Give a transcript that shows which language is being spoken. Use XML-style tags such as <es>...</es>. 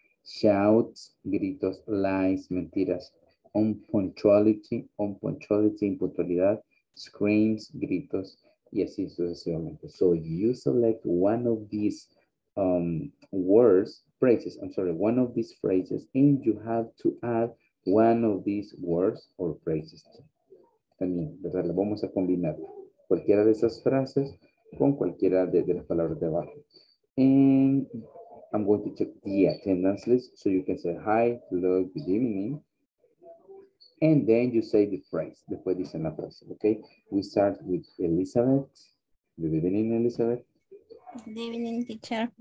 <en>Shouts, gritos, lies, mentiras. Unpunctuality, impuntualidad.</en> <es>Screams, gritos, y así sucesivamente.</es> <en>So you select one of these phrases, and you have to add one of these words or phrases.</en> <es>También, ¿verdad? Lo vamos a combinar cualquiera de esas frases con cualquiera de las palabras de abajo.</es> <en>And I'm going to check the attendance list so you can say hi, hello, good evening. And then you say the phrase.</en> <es>Después dicen la frase,</es> <en>okay? We start with Elizabeth. Good evening, Elizabeth. Good evening, teacher.</en>